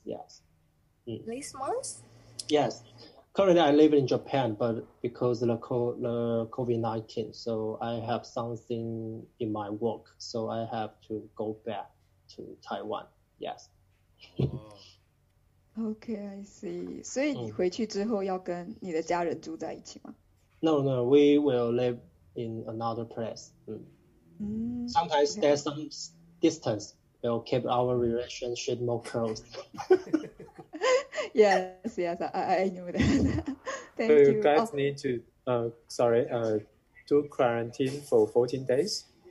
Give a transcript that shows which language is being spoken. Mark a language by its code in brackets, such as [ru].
[en] Yes. This month? Yes. Currently, I live in Japan, but because of the COVID-19, so I have something in my work, so I have to go back to Taiwan, yes. Okay, I see. [zh] 所以你回去之后要跟你的家人住在一起吗？ [en] No, we will live in another place. Sometimes there's some distance will keep our relationship more close. Yes, I knew that. Thank you. You guys need to, do quarantine for 14 days?